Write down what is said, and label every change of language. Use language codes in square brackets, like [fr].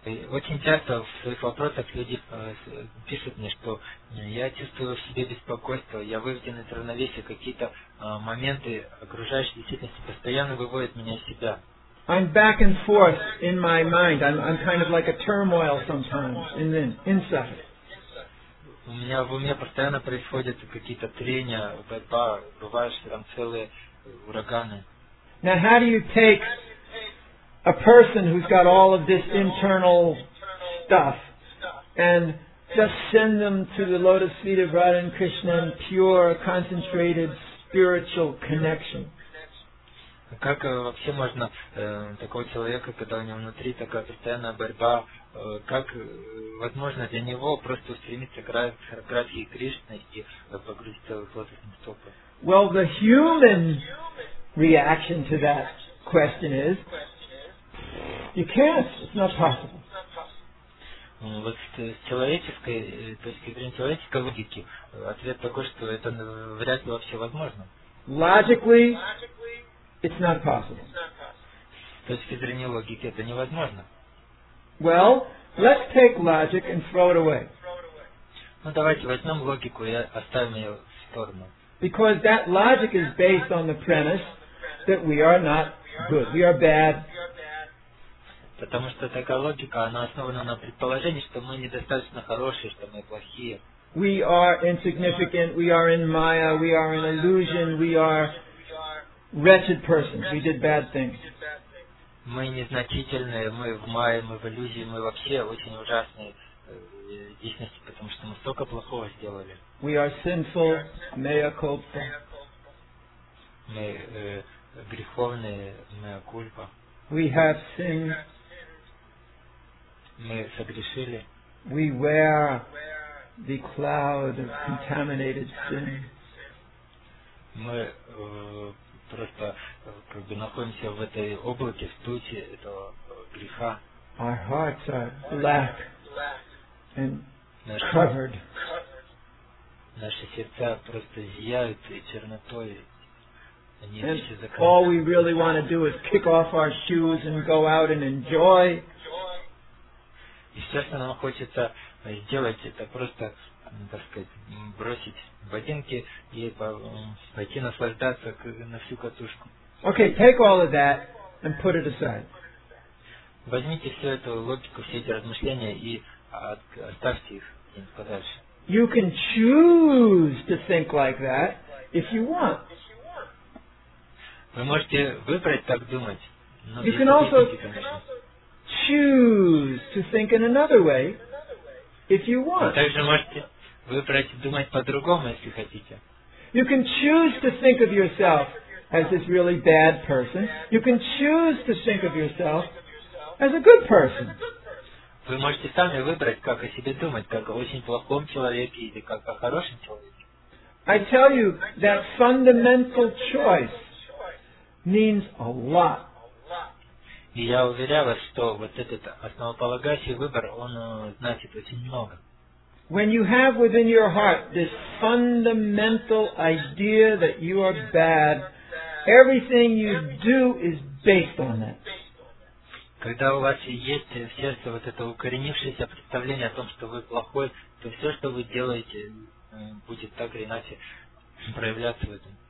[ru] Очень часто в своих вопросах люди пишут мне, что я чувствую в себе беспокойство, я выведен из равновесия, какие-то моменты окружающей действительности постоянно выводят меня из себя. [en] I'm back and forth in my mind. I'm kind of like a turmoil sometimes in the inside. [ru] У меня в уме постоянно происходят какие-то трения, борьба, бывают там целые ураганы. [en] Now how do you take a person who's got all of this internal stuff and just send them to the lotus feet of Radha and Krishna in pure, concentrated, spiritual connection? [ru] Как вообще можно такого человека, когда у него внутри такая постоянная борьба, как возможно для него просто устремиться к Радхе и Кришне и погрузиться в лотосные стопы? [en] Well, the human reaction to that question is, you can't, it's not possible. [ru] Вот с человеческой точки зрения, человеческой логики, ответ такой, что это вряд ли вообще возможно. [en] Logically, it's not possible. [ru] С точки зрения логики, это невозможно. [en] Well, let's take logic and throw it away. [ru] Ну давайте возьмем логику и оставим ее в сторону. [en] Because that logic is based on the premise that we are not good, we are bad. [ru] Потому что такая логика, она основана на предположении, что мы недостаточно хорошие, что мы плохие. [en] We are insignificant, we are in Maya, we are in illusion, we are wretched persons, we did bad things. [ru] Мы незначительные, мы в Майе, мы в иллюзии, мы вообще очень ужасные личности, потому что мы столько плохого сделали. [en] We are sinful, mea culpa. [ru] Мы греховные, mea culpa. [en] We have sinned. [ru] Мы согрешили. [en] We wear the cloud of contaminated sin. [ru] Мы просто как бы находимся в этой облаке, в туче этого греха. [en] Our hearts are black and covered. [ru] Наши сердца просто зияют и чернотой. [en] And all we really want to do is kick off our shoes and go out and enjoy. [ru] И все, что нам хочется сделать, это просто, так сказать, бросить ботинки и пойти наслаждаться на всю катушку. [en] Okay, take all of that and put it aside. [ru] Возьмите всю эту логику, все эти размышления и оставьте их подальше. [en] You can choose to think like that if you want. [ru] Вы можете выбрать так думать, но [en] you can also choose to think in another way if you want. [ru] Также можете выбрать думать по-другому, если хотите. [en] You can choose to think of yourself as this really bad person. You can choose to think of yourself as a good person. [ru] Вы можете сами выбрать, как о себе думать, как о очень плохом человеке или как о хорошем человеке. [en] I tell you that fundamental choice means a lot. [ru] И я уверяю вас, что вот этот основополагающий выбор, он значит очень много. [en] When you have within your heart this fundamental idea that you are bad, everything you do is based on that. [ru] Когда у вас есть в сердце вот это укоренившееся представление о том, что вы плохой, то все, что вы делаете, будет так или иначе проявляться в этом.